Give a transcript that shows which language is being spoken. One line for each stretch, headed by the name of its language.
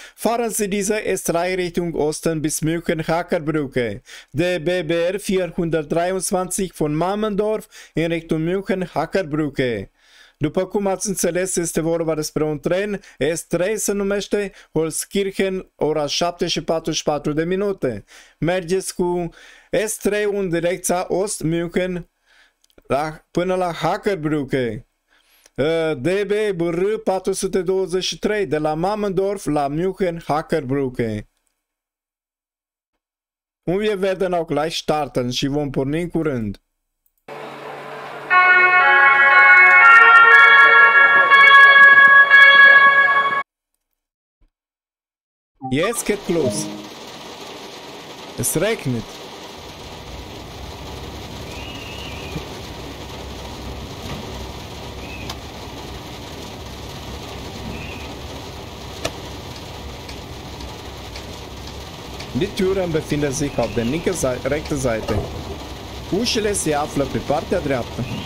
German: Fahren Sie diese S3 Richtung Osten bis München-Hackerbrücke. DBBR 423 von Mammendorf in Richtung München-Hackerbrücke.
Romanian: După cum ați înțeles, este vorba despre un tren, S3 se numește, Holzkirchen, ora 7:44 de minute. Mergeți cu S3 în direcția Ost-München până la Hackerbrücke. DBBR 423 de la Mammendorf la München-Hackerbrücke.
German: Und wir werden auch gleich starten
Romanian: și vom porni în curând.
German: Jetzt geht los. Es regnet. Die Türen befinden sich auf der linken Seite, rechten Seite.
Romanian: Ușile se află pe partea dreaptă.